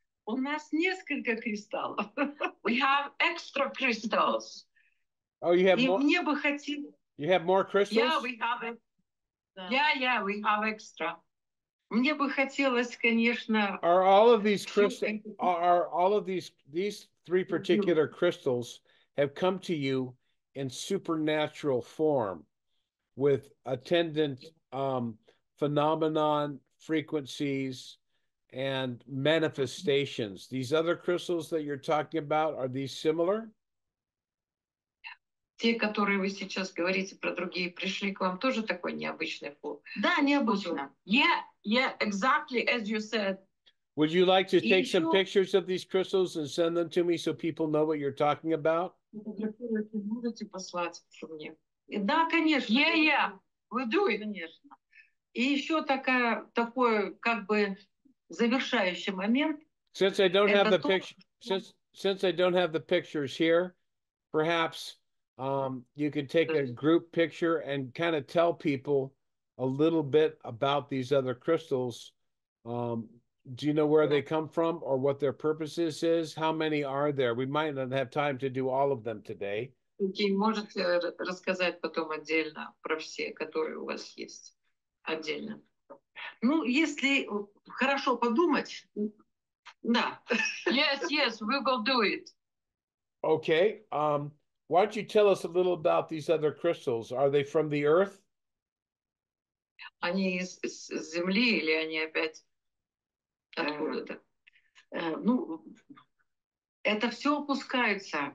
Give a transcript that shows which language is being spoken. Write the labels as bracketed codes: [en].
[ru] У нас несколько кристаллов. [en] We have extra crystals. Oh, you have [ru] и [en] more? [ru] Мне бы хотел... [en] You have more crystals? Yeah, we have it. Yeah, we have extra. [ru] Мне бы хотелось, конечно... [en] Are all of these crystals, are all of these three particular crystals have come to you in supernatural form with attendant... phenomenon, frequencies, and manifestations. These other crystals that you're talking about, are these similar? [ru] Те, которые вы сейчас говорите про другие, пришли к вам тоже такой необычный пол. Да, необычно. [en] Yeah, exactly as you said. Would you like to take some pictures of these crystals and send them to me so people know what you're talking about? [ru] Можете послать мне. Да, конечно. [en] Yeah. We do it. [ru] Конечно. И еще такой как бы завершающий момент. [en] Since I don't have the since I don't have the pictures here, perhaps you could take a group picture and kind of tell people a little bit about these other crystals. Do you know where they come from or what their purpose is? How many are there? We might not have time to do all of them today. [ru] Okay, можете рассказать потом отдельно про все, которые у вас есть отдельно. Ну, если хорошо подумать, да. [en] Yes, we will do it. Okay. Why don't you tell us a little about these other crystals? Are they from the earth? [ru] Они из земли или они опять откуда-то? Ну, это все опускается.